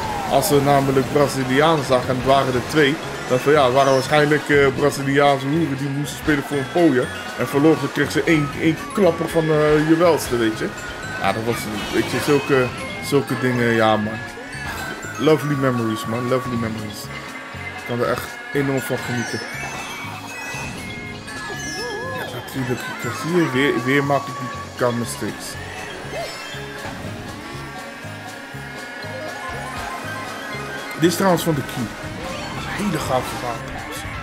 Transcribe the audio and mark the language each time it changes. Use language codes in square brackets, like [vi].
[nl] Als we namelijk Brazilianen zagen, en het waren er twee. Dat van ja, het waren waarschijnlijk Braziliaanse hoeren die moesten spelen voor een pooier. En verloren kreeg ze één klapper van je welste, weet je. Ja, dat was, weet je, zulke dingen, ja man. [en] Lovely memories, man, lovely memories. [nl] Ik kan er echt enorm van genieten. Natuurlijk, zie je, weer maak ik die [en] car mistakes. [nl] Dit is trouwens van de Q. Een hele gaaf verhaal trouwens.